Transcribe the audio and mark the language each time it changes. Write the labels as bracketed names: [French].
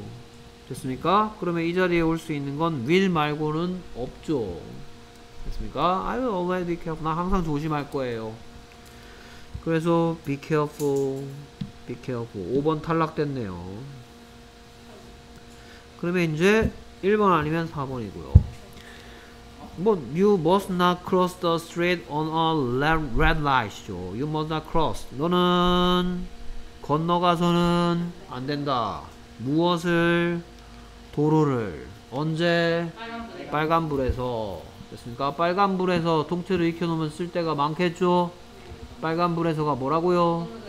[Korean] 됐습니까? 그러면 이 자리에 올 수 있는 건 will 말고는 없죠. 됐습니까? [English] I will always be careful. [Korean] 나 항상 조심할 거예요. 그래서 [English] be careful, be careful. [Korean] 5번 탈락됐네요. 그러면 이제 1번 아니면 4번이고요. 뭐 [English] you must not cross the street on a red light죠. You must not cross. [Korean] 너는 건너가서는 안 된다. 무엇을? 도로를. 언제? 빨간불에서. 됐습니까? 빨간불에서 통째로 익혀놓으면 쓸 데가 많겠죠. 빨간불에서가 뭐라고요?